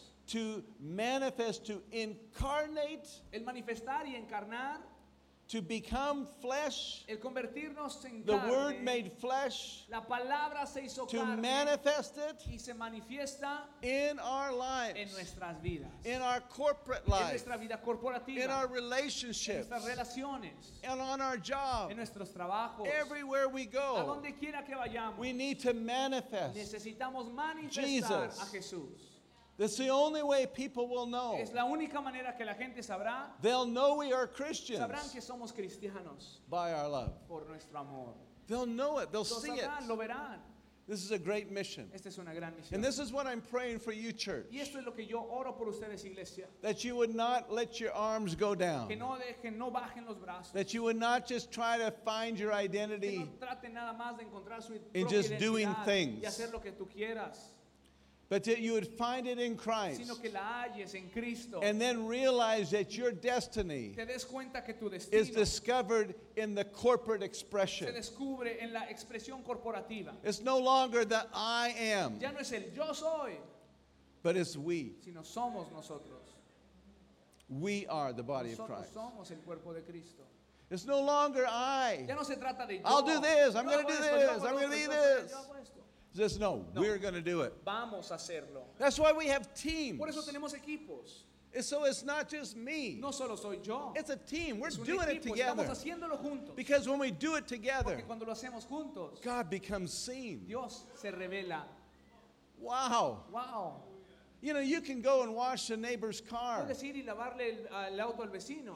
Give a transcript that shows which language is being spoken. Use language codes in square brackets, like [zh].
[en] To manifest, to incarnate, [es] el manifestar y encarnar, [en] to become flesh, [es] el convertirnos en carne, [en] the Word made flesh, [es] la palabra se hizo carne, [en] to manifest it [es] y se manifiesta [en] in our lives, [es] en nuestras vidas, [en] in our corporate lives, [es] en nuestra vida corporativa, [en] in our relationships, [es] en nuestras relaciones, [en] and on our job, [es] en nuestros trabajos, [en] everywhere we go, [es] a donde quiera que vayamos, [en] we need to manifest [es] necesitamos manifestar [en] Jesus. [es] A Jesús. [en] That's the only way people will know. [es] Es la única manera que la gente sabrá. [en] They'll know we are Christians. [es] Sabrán que somos cristianos. [en] By our love. [es] Por nuestro amor. [en] They'll know it. They'll [es] lo [en] see [es] sabrán, [en] it. [es] Lo verán. [en] This is a great mission. [es] Esta es una gran misión. [en] And this is what I'm praying for you, church. [es] Y esto es lo que yo oro por ustedes, iglesia. [en] That you would not let your arms go down. [es] Que no dejen, no bajen los brazos. [en] That you would not just try to find your identity. [es] Que no traten nada más de encontrar su [en] in just doing things. [es] Y hacer lo que tú quieras. [en] But that you would find it in Christ. [es] Sino que la halles en Cristo. [en] And then realize that your destiny [es] te des cuenta que tu destino [en] is discovered in the corporate expression. [es] Se descubre en la expresión corporativa. [en] It's no longer the I am. [es] Ya no es el yo soy. [en] But it's we. [es] Sino somos nosotros. [en] We are the body [es] nosotros [en] of Christ. [es] Somos el cuerpo de Cristo. [en] It's no longer I. [es] Ya no se trata de [en] yo. I'll do this. I'm going to do this. I'm going to do this. Just [es] no, [en] we're going to do it. [es] Vamos a hacerlo. [en] That's why we have teams. [es] Por eso tenemos equipos. [en] And so it's not just me. [es] No solo soy yo. [en] It's a team. We're [es] es un [en] doing [es] equipo. [en] It together. [es] Estamos haciéndolo juntos. [en] Because when we do it together, [es] porque cuando lo hacemos juntos, [en] God becomes seen. [es] Dios se revela. Wow. Wow. [en] You know, you can go and wash a neighbor's car. [es] Puedes ir y lavarle el auto al vecino.